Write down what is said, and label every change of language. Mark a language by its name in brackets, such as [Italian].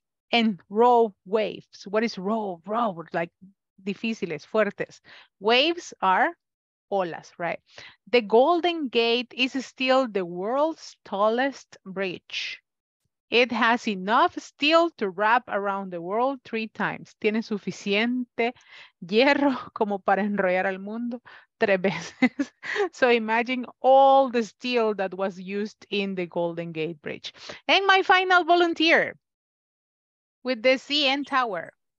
[English] And raw waves. What is raw? Raw, like [Spanish] difíciles, fuertes. [English] Waves are olas, right? The Golden Gate is still the world's tallest bridge. It has enough steel to wrap around the world three times. [Spanish] Tiene suficiente hierro como para enrollar al mundo tres veces. [English] So imagine all the steel that was used in the Golden Gate Bridge. And my final volunteer with the CN Tower.